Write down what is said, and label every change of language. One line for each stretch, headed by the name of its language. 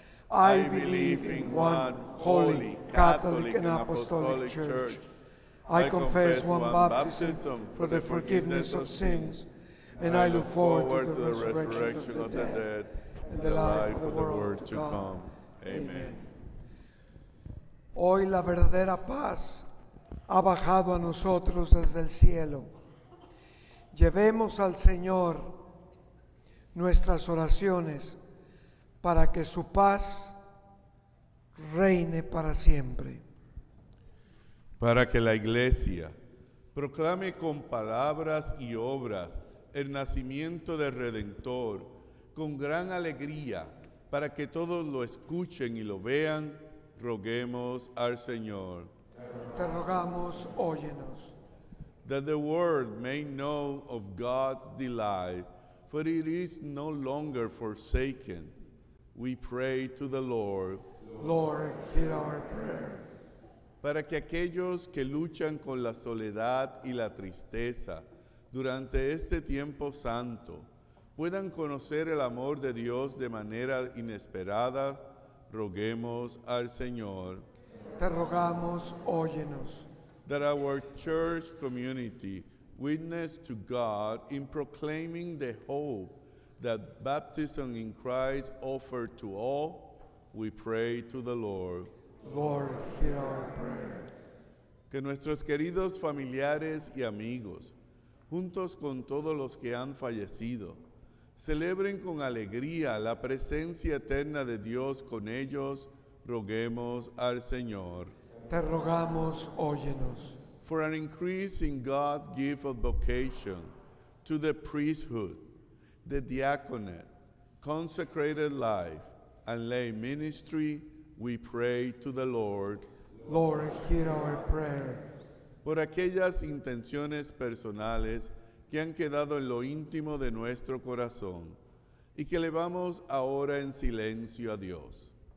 English: I believe in one holy, Catholic and Apostolic Church. I confess one baptism for the forgiveness of sins, and I look forward to the resurrection of the dead and the life of the world to come. Amen.
Spanish: Hoy la verdadera paz ha bajado a nosotros desde el cielo. Llevemos al Señor nuestras oraciones para que su paz reine para siempre. Para que la Iglesia proclame con palabras y obras el nacimiento del Redentor con gran alegría, para que todos lo escuchen y lo vean, roguemos al Señor. Te rogamos, óyenos.
English: That the world may know of God's delight, for it is no longer forsaken. We pray to the Lord. Lord, hear our prayer.
Spanish: Para que aquellos que luchan con la soledad y la tristeza durante este tiempo santo puedan conocer el amor de Dios de manera inesperada, roguemos al Señor. Te rogamos, óyenos.
English: That our church community witness to God in proclaiming the hope that baptism in Christ offered to all, we pray to the Lord. Lord, hear our prayer.
Spanish: Que nuestros queridos familiares y amigos juntos con todos los que han fallecido, celebren con alegría la presencia eterna de Dios con ellos, roguemos al Señor. Te rogamos, óyenos.
English: For an increase in God's gift of vocation to the priesthood, the diaconate, consecrated life, and lay ministry, we pray to the Lord. Lord, hear our prayer.
Spanish: Por aquellas intenciones personales que han quedado en lo íntimo de nuestro corazón y que elevamos ahora en silencio a Dios.